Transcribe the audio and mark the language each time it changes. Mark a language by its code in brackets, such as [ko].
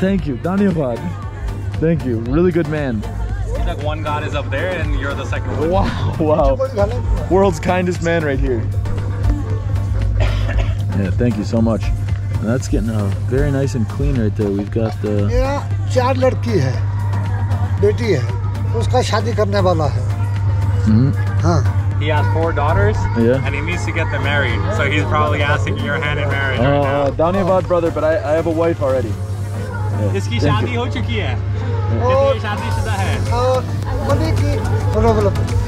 [en] Thank you, Daniyavad. Thank you, really good man. Like one God is up there and you're the second one. Wow. World's kindest man right here. Yeah, thank you so much. That's getting very nice and clean right there. We've got the... [hi] Yeah, 4 ladki hai. बेटी है उसका शादी करने वाला है [en] हाँ He has four daughters, and he needs to get them married. So he's probably asking your hand in marriage right now. Dhanyavad, brother, but I have a wife already. [hi] Iski shaadi ho chuki hai. Kitni shaadi shuda hai? Money ki [en] problem.